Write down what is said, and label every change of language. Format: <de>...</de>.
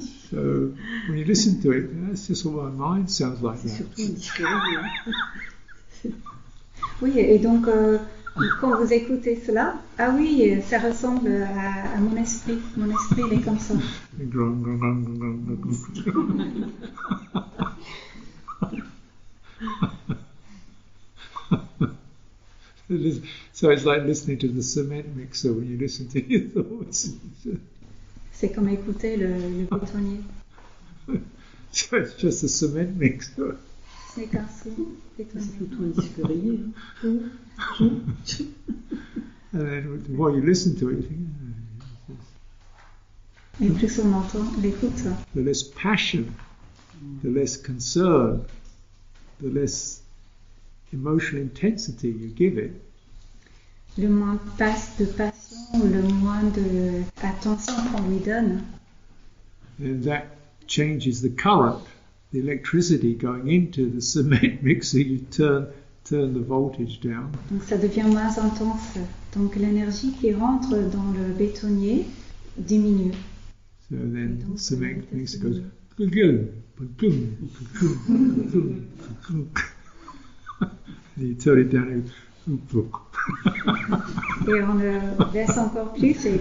<en>So, when you listen to it, that's just what my mind sounds like.</en> <fr>C'est surtout une discorde. Oui, et donc, quand vous écoutez cela, ah oui, ça ressemble à mon esprit. Mon esprit, il est comme ça. Grong, grong, grong, grong, grong, grong, grong.</fr> <en>So it's like listening to the cement mixer when you listen to your thoughts.</en> <fr>C'est comme écouter le bétonnier.</fr> <en>So it's just a cement mixer.</en> <fr>C'est qu'un bétonnier. C'est plutôt un disque.</fr> <en>And then while you listen to it, you think,</en> <fr>Et plus on entend, l'écoute.</fr> <en>The less passion, the less concern, the less emotional intensity you give it.</en> <fr>Le moins de passion, le moins d'attention qu'on lui donne.</fr> <en>And that changes the current, the electricity going into the cement mixer. You turn the voltage down.</en> <fr>Donc ça devient moins intense. Donc l'énergie qui rentre dans le bétonnier diminue.</fr> <en>So then the cement mixer goes boom, boom, boom, boom, boom. You turn it down.</en> <fr>Et on le baisse encore plus et il</fr>